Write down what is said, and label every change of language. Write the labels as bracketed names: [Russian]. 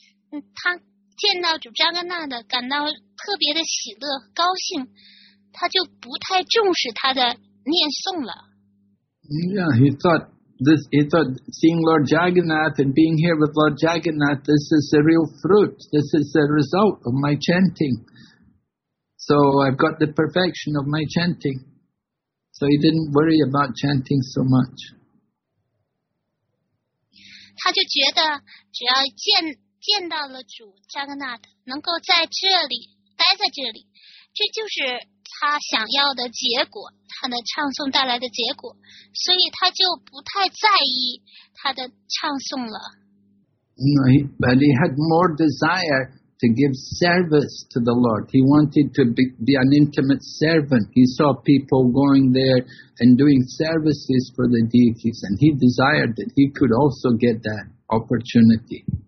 [Chinese] 他见到主扎格纳的感到特别的喜乐高兴，他就不太重视他的念诵了。 [English] Yeah, he thought this, he thought seeing Lord Jagannath and being here with Lord Jagannath, this is the real fruit. This is the result of my chanting. So I've got the perfection of my chanting. So he didn't worry about chanting so much. [Chinese] 他就觉得只要见到了主Jagannath能够在这里待在这里，这就是他想要的结果，他的唱诵带来的结果，所以他就不太在意他的唱诵了。 [English] But he had more desire to give service to the Lord. He wanted to be an intimate servant. He saw people going there and doing services for the deities, and he desired that he could also get that opportunity.